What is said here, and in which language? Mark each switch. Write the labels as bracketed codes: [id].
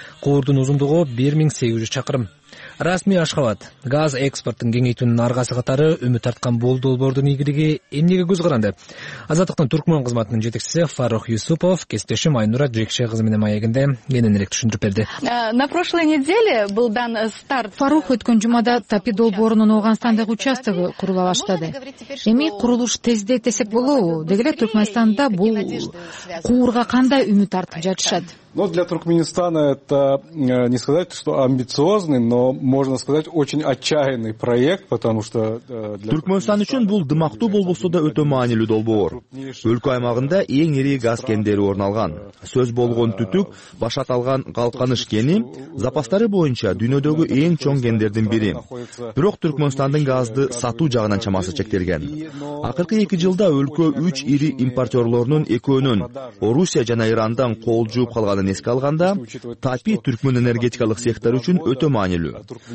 [ky] Куурдун узундугу 1800 чакырым. Расмий Ашхабад газ экспортун кеңейтүүнүн аргасы катары үмүт арткан болдолбордун ийгилиги эмнеге көз каранды? Азаттыктын түркмөн кызматынын жетекчиси Фарух Юсупов кесиптешим Айнура Жекше кызы менен маегинде кененирээк түшүндүрүп берди. [ru] На прошлой неделе был дан старт. [ky] Фарух, өткөн жумада ТАПИ долбоорунун Оогансандагы участогу курула баштады. Эми курулуш тездейт десек болобу? Деги эле Түркмөнстанда бул куурга кандай үмүт артып жатышат? [ru] Но для Туркменистана это не сказать, что амбициозный, но можно сказать, очень отчаянный проект, потому что [ky] Туркменистан үчүн бул дымактуу болбосо да өтө маанилүү долбоор. Өлкө аймагында эң ири газ кендери орналган. Сөз болгон түтүк баш аталган Калканыш кени запастары боюнча дүйнөдөгү эң чоң кендердин бири. Бирок Туркменистандын газды сатуу жагынан чамасы чектелген. Акыркы 2 жылда өлкө 3 ири импортёрлорунун экөөнүн Орусия жана Ирандан кол жууп алганын эске алганда ТАПИ түркмөн энергетикалык сектор үчүн өтө маанилүү.